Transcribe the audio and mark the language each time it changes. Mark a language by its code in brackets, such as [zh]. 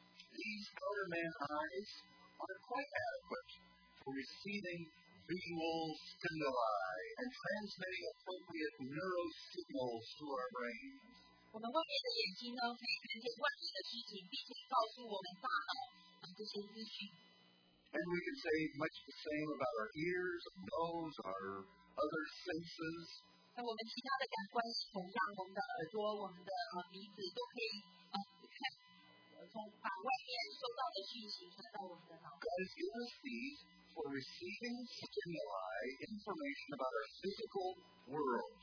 [en] These outer man eyes are quite adequate for receiving visual stimuli and transmitting appropriate neural signals to our brains. [zh] 我们外面的眼睛呢，可以看见外面的事情，并且告诉我们大脑这些资讯。 [en] And we can say much the same about our ears, our nose, our other senses. God has given us these for receiving stimuli, information about our physical world.